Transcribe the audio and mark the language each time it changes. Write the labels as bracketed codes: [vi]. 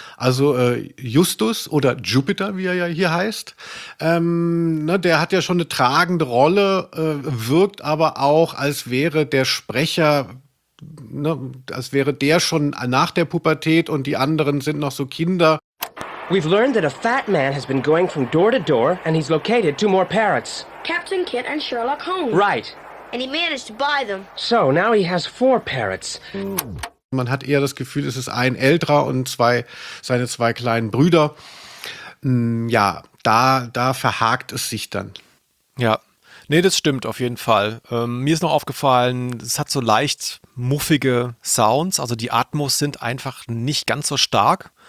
[de] Also Justus oder Jupiter, wie er ja hier heißt. Der hat ja schon eine tragende Rolle, wirkt aber auch, als wäre der Sprecher, ne, als wäre der schon nach der Pubertät und die anderen sind noch so Kinder. [en] We've learned that a fat man has been going from door to door and he's located 2 more parrots. Captain Kit and Sherlock Holmes. Right. And he managed to buy them. So, now he has 4 parrots. [de] Man hat eher das Gefühl, es ist ein älterer und seine zwei kleinen Brüder. Ja, da verhakt es sich dann. Ja. Nee, das stimmt auf jeden Fall. Mir ist noch aufgefallen, es hat so leicht muffige Sounds, also die Atmos sind einfach nicht ganz so stark.